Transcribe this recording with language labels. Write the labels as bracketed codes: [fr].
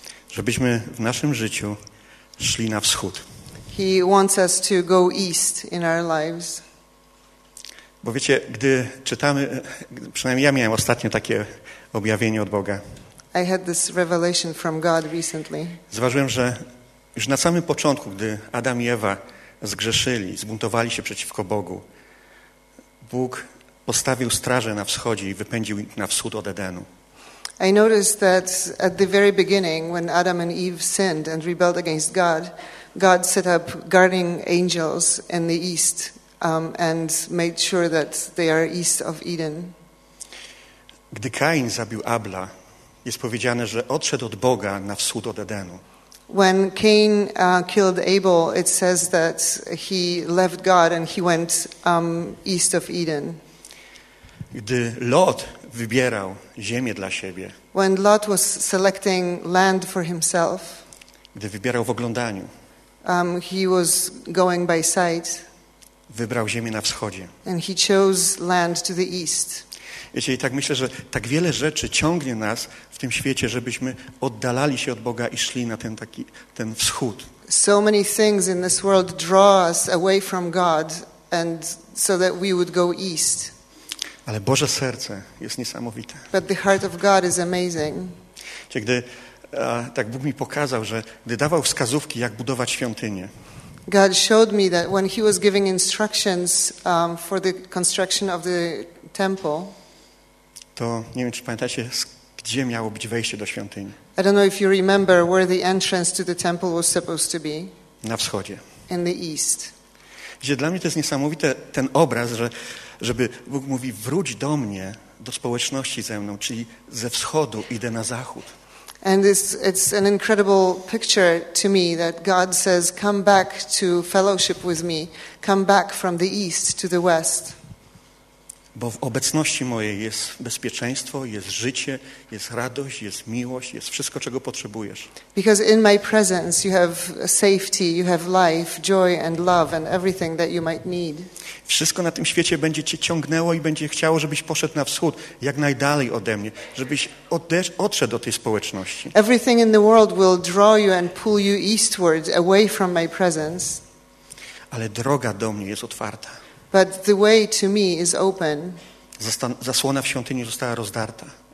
[pl] Żebyśmy w naszym życiu szli na wschód. [en] He wants us to go east in our lives. [pl] Bo wiecie, gdy czytamy, przynajmniej ja miałem ostatnio takie objawienie od Boga. [en] I had this revelation from God recently. [pl] Zważyłem, że już na samym początku, gdy Adam i Ewa zgrzeszyli, zbuntowali się przeciwko Bogu, Bóg postawił strażę na wschodzie i wypędził ich na wschód od Edenu. [en] I noticed that at the very beginning, when Adam and Eve sinned and rebelled against God, God set up guarding angels in the east and made sure that they are east of Eden. [pl] Gdy Kain zabił Abla, jest powiedziane, że odszedł od Boga na wschód od Edenu. [en] When Cain killed Abel, it says that he left God and he went east of Eden. [pl] Gdy Lot wybierał ziemię dla siebie. [en] When Lot was selecting land for himself. [pl] Gdy wybierał w oglądaniu. [en] He was going by sight. [pl] Wybrał ziemię na wschodzie. [en] And he chose land to the east. [pl] Wiecie, i tak myślę, że tak wiele rzeczy ciągnie nas w tym świecie, żebyśmy oddalali się od Boga i szli na ten wschód. [en] So many things in this world draw us away from God and so that we would go east. [pl] Ale Boże serce jest niesamowite. [en] But the heart of God is amazing. [pl] Wiecie, gdy tak Bóg mi pokazał, że gdy dawał wskazówki, jak budować świątynię. [en] God showed me that when he was giving instructions for the construction of the temple. [pl] To nie wiem, czy pamiętacie, gdzie miało być wejście do świątyni. [en] I don't know if you remember where the entrance to the temple was supposed to be. [pl] Na wschodzie. [en] In the east. [pl] Gdzie dla mnie to jest niesamowite, ten obraz, że żeby Bóg mówi, wróć do mnie, do społeczności ze mną, czyli ze wschodu idę na zachód. [en] And it's an incredible picture to me that God says, come back to fellowship with me, come back from the east to the west. [pl] Bo w obecności mojej jest bezpieczeństwo, jest życie, jest radość, jest miłość, jest wszystko, czego potrzebujesz. [en] Because in my presence you have safety, you have life, joy and love and everything that you might need. [pl] Wszystko na tym świecie będzie cię ciągnęło i będzie chciało, żebyś poszedł na wschód, jak najdalej ode mnie, żebyś odszedł do tej społeczności. [en] Everything in the world will draw you and pull you eastward, away from my presence. [pl] Ale droga do mnie jest otwarta. [en] But the way to me is open. [pl] Zasłona w świątyni została rozdarta.